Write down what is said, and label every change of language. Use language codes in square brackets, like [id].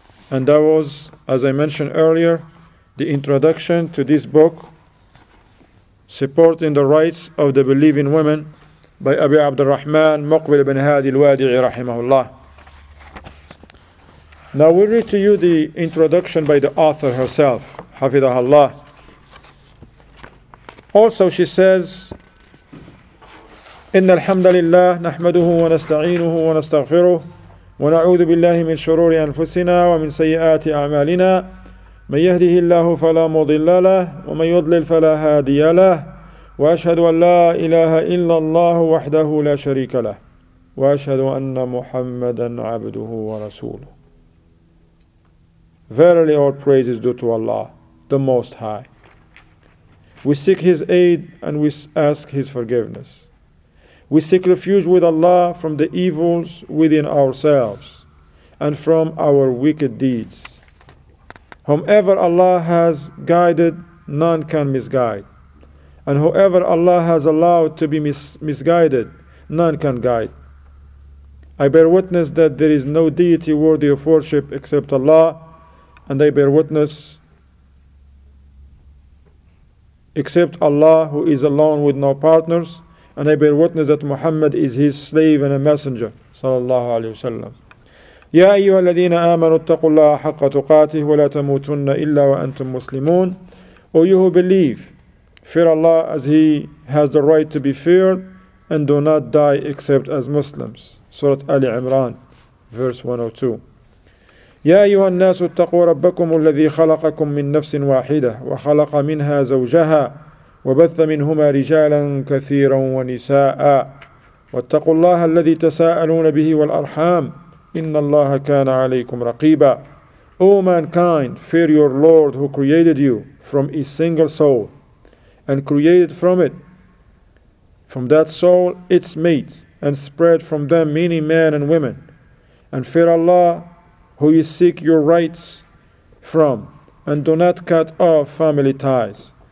[en] And that was, as I mentioned earlier, the introduction to this book, Supporting the Rights of the Believing Women, by Abi Abdurrahman Muqbil ibn Hadi al-Wadi'i rahimahullah. Now we read to you the introduction by the author herself, Hafidah Allah. Also, she says, [ar] إن الحمد لله نحمده ونستعينه ونستغفره ونعوذ بالله من شرور أنفسنا ومن سيئات أعمالنا من يهده الله فلا مضل له ومن يضلل فلا هادي له وأشهد أن لا إله إلا الله وحده لا شريك له وأشهد أن محمدا عبده ورسوله. [en] Verily all praise is due to Allah, the Most High. We seek His aid and we ask His forgiveness. We seek refuge with Allah from the evils within ourselves and from our wicked deeds. Whomever Allah has guided, none can misguide. And whoever Allah has allowed to be misguided, none can guide. I bear witness that there is no deity worthy of worship except Allah, and I bear witness except Allah, who is alone with no partners, and I bear witness that Muhammad is His slave and a messenger, sallallahu alaihi wasallam. [ar] يا أيها الذين آمنوا اتقوا الله حق تقاته ولا تموتن إلا وأنتم مسلمون. [en] O you who believe, fear Allah as He has the right to be feared, and do not die except as Muslims. Surah Ali Imran, verse 102. [ar] يا أيها الناس اتقوا ربكم الذي خلقكم من نفس واحدة وخلق منها زوجها وبث منهما رجالا كثيرا ونساء واتقوا الله الذي تساءلون به والأرحام إن الله كان عليكم رقيبا. [en] O mankind, fear your Lord who created you from a single soul and created from it, from that soul its mates, and spread from them many men and women. And fear Allah who you seek your rights from, and do not cut off family ties.